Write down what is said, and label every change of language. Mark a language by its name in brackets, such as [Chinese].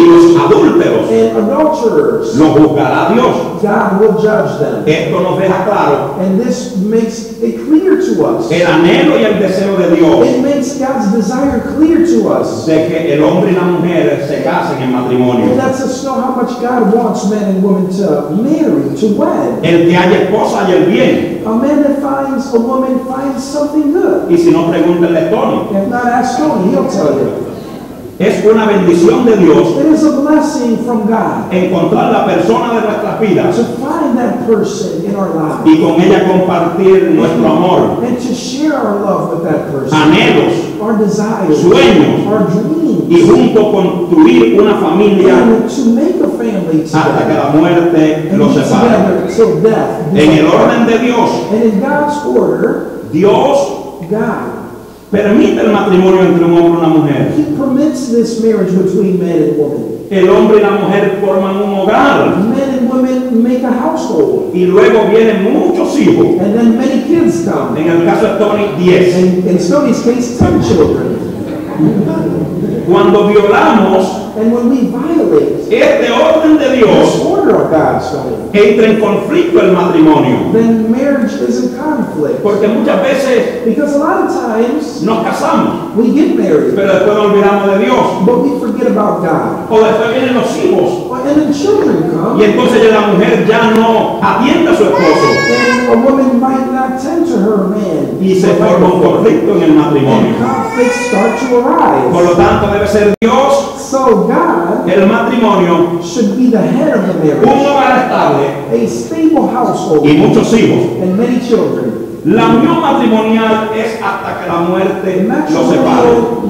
[Spanish] Y los adúlteros. [English] And adulterers. [Spanish] Los juzgará Dios. [English] God will judge them. [Spanish] Esto nos deja claro. [English] And this makes it clear to us. [Spanish] El anhelo y el deseo de Dios. [English] It makes God's desire clear to us. [Spanish] De que el hombre y la mujer se casen en matrimonio. [English] And lets us know how much God wants men and women to marry, to wed. [Spanish] El que haya esposa y el bien. [English] A man that finds a woman finds something good. [Spanish] Y si no, pregúntale a Tony. [English] If not, ask Tony, he'll tell you. [Spanish] Es una bendición de Dios. [English] It is a blessing from God. [Spanish] Encontrar la persona de nuestras vidas. [English] To find that person in our lives. [Spanish] Y con ella compartir nuestro amor. [English] And to share our love with that person. [Spanish] Anhelos. [English] Our desires. [Spanish] Sueños. [English] Our dreams. [Spanish] Y junto construir una familia. [English] And to make a family together. [Spanish] Hasta que la muerte los separe. [English] Till death. [Spanish] En el orden de Dios. [English] And in God's order. [Spanish] Dios. [English] God. [Spanish] Permite el matrimonio entre un hombre y una mujer. [English] He permits this marriage between man and woman. [Spanish] El hombre y la mujer forman un hogar. [English] Men and women make a household. [Spanish] Y luego vienen muchos hijos. [English] And then many kids come. [Spanish] En el caso de Tony, 10. [English] In Tony's case, 10 children. [Spanish] Cuando violamos. [English] And when we violate. [Spanish] Este orden de Dios. [English] This order of God, Tony. [Spanish] Entra en conflicto el matrimonio. [English] Then marriage is in conflict. [Spanish] Porque muchas veces. [English] Because a lot of times. [Spanish] Nos casamos. [English] We get married. [Spanish] Pero después nos olvidamos de Dios. [English] But we forget about God. [Spanish] O después vienen los hijos. [English] And then children come. [Spanish] Y entonces ya la mujer ya no atiende a su esposo. [English] And a woman might not tend to her man. [Spanish] Y se forma un conflicto en el matrimonio. [English] And conflicts start to arise. [Spanish] Por lo tanto debe ser Dios. [English] So God. [Spanish] El matrimonio. [English] Should be the head of the marriage. [Spanish] Un hogar estable. [English] A stable household. [Spanish] Y muchos hijos. [English] And many children. [Spanish] La unión matrimonial es hasta que la muerte lo separe.